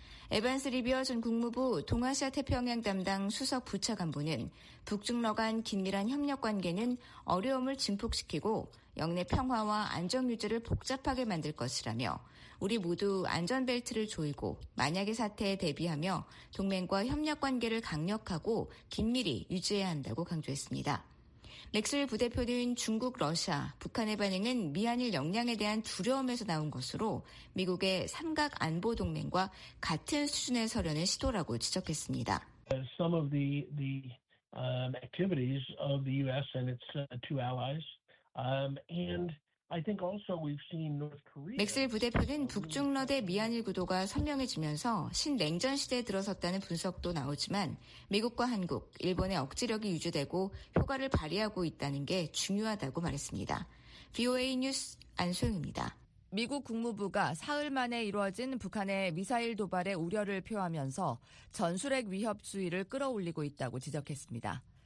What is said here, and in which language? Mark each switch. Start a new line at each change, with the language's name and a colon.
Korean: 에반스 리비어 전 국무부 동아시아 태평양 담당 수석 부차관부는 북중러 간 긴밀한 협력 관계는 어려움을 증폭시키고 영내 평화와 안정 유지를 복잡하게 만들 것이라며 우리 모두 안전벨트를 조이고 만약의 사태에 대비하며 동맹과 협력 관계를 강력하고 긴밀히 유지해야 한다고 강조했습니다. 맥슬 부대표는 중국, 러시아, 북한의 반응은 미한일 역량에 대한 두려움에서 나온 것으로 미국의 삼각 안보 동맹과 같은 수준의 서련의 시도라고 지적했습니다.
English: Some of the activities of the U.S. and its two allies, and I think also we've seen North Korea.
Korean: 맥슬 부대표는 북중러 대 미한일 구도가 선명해지면서 신냉전 시대에 들어섰다는 분석도 나오지만 미국과 한국, 일본의 억지력이 유지되고 효과를 발휘하고 있다는 게 중요하다고 말했습니다. VOA 뉴스 안소영입니다. 미국 국무부가 사흘 만에 이루어진 북한의 미사일 도발에 우려를 표하면서 전술핵 위협 수위를 끌어올리고 있다고 지적했습니다.